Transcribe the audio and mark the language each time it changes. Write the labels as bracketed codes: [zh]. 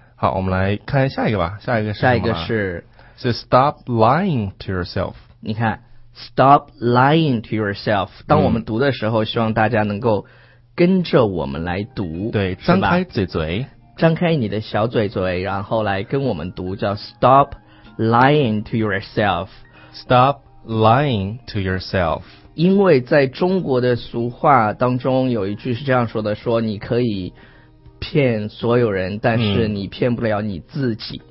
[zh] 好，我们来看下一个吧，下一个是什么？下一个是。 [en] So stop lying to yourself. [zh] 你看 [en] ,stop lying to yourself. [zh] 当我们读的时候，希望大家能够跟着我们来读。对，张开嘴嘴。张开你的小嘴嘴，然后来跟我们读，叫 [en] stop lying to yourself. Stop lying to yourself. [zh] 因为在中国的俗话当中有一句是这样说的，说你可以骗所有人，但是你骗不了你自己。